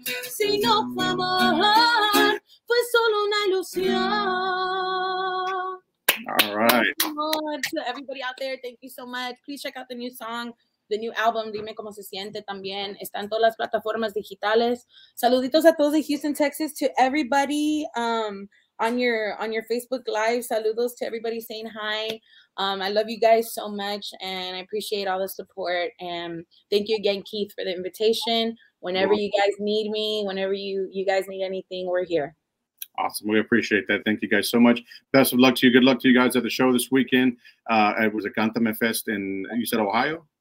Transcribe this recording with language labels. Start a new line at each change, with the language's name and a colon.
Spanish: Si no fue amor, fue solo una ilusión.
English: All right. To everybody out there, thank you so much. Please check out the new song, the new album, Dime Cómo Se Siente, también.
Spanish: Está en todas las plataformas digitales. Saluditos a todos de Houston, Texas,
English: to everybody. on your Facebook Live.
Spanish: Saludos
English: to everybody saying hi. I love you guys so much, and I appreciate all the support. And thank you again, Keith, for the invitation. Whenever you guys need me, whenever you guys need anything, we're here. Awesome. We appreciate that. Thank you guys so much. Best of luck to you. Good luck to you guys at the show this weekend. It was a Cantame Fest in, you said Ohio?